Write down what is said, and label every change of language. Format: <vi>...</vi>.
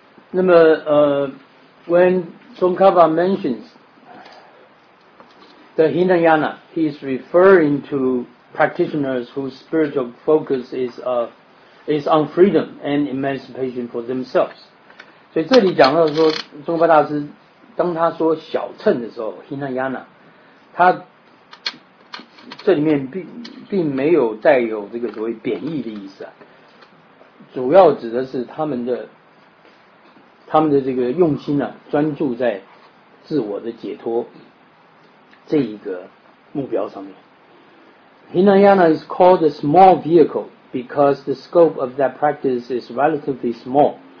<en>那么 When Tsongkhapa mentions the Hinayana,He is referring to practitioners whose spiritual focus is on freedom and emancipation for themselves.</en> <zh>所以这里讲到说，宗喀巴大师当他说小乘的时候 ，Hinayana， 他这里面并没有带有这个所谓贬义的意思啊，主要指的是他们的这个用心呢、啊，专注在自我的解脱这一个。目标上面。</zh> <en>Hinayana is called a small vehicle because the scope of that practice is relatively small.</en>